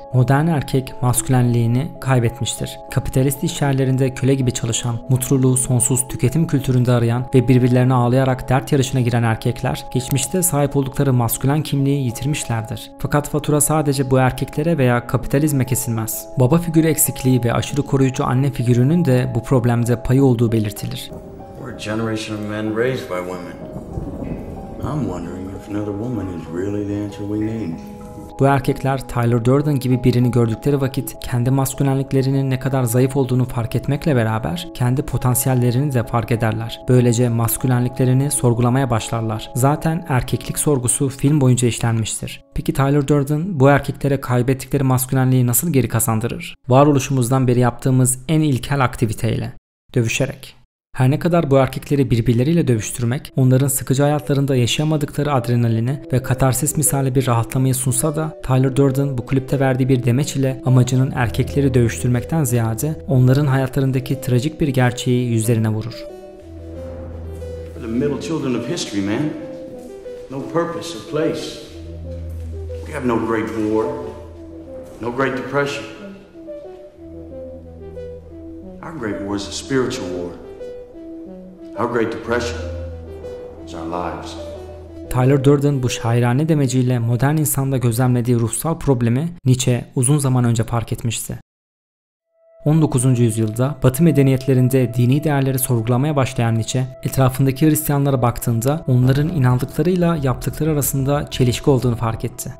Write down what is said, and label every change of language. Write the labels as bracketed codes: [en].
[tr] Modern erkek maskülenliğini kaybetmiştir. Kapitalist iş yerlerinde köle gibi çalışan, mutluluğu sonsuz tüketim kültüründe arayan ve birbirlerine ağlayarak dert yarışına giren erkekler geçmişte sahip oldukları maskülen kimliği yitirmişlerdir. Fakat fatura sadece bu erkeklere veya kapitalizme kesilmez. Baba figürü eksikliği ve aşırı koruyucu anne figürünün de bu problemde payı olduğu belirtilir. [en] We're a generation of men raised by women. I'm wondering if another woman is really the answer we need. [tr] Bu erkekler Tyler Durden gibi birini gördükleri vakit kendi maskülenliklerinin ne kadar zayıf olduğunu fark etmekle beraber kendi potansiyellerini de fark ederler. Böylece maskülenliklerini sorgulamaya başlarlar. Zaten erkeklik sorgusu film boyunca işlenmiştir. Peki Tyler Durden bu erkeklere kaybettikleri maskülenliği nasıl geri kazandırır? Varoluşumuzdan beri yaptığımız en ilkel aktiviteyle. Dövüşerek. Her ne kadar bu erkekleri birbirleriyle dövüştürmek, onların sıkıcı hayatlarında yaşayamadıkları adrenalini ve katarsis misali bir rahatlamayı sunsa da, Tyler Durden bu kulüpte verdiği bir demeç ile amacının erkekleri dövüştürmekten ziyade onların hayatlarındaki trajik bir gerçeği yüzlerine vurur. [en] The middle children of history, man. No purpose or place. We have no great war. No great depression. Our great war is a spiritual war. Our great depression is our lives. [tr] Tyler Durden bu şairane demeciyle modern insanda gözlemlediği ruhsal problemi Nietzsche uzun zaman önce fark etmişti. 19. yüzyılda Batı medeniyetlerinde dini değerleri sorgulamaya başlayan Nietzsche, etrafındaki Hristiyanlara baktığında onların inandıklarıyla yaptıkları arasında çelişki olduğunu fark etti.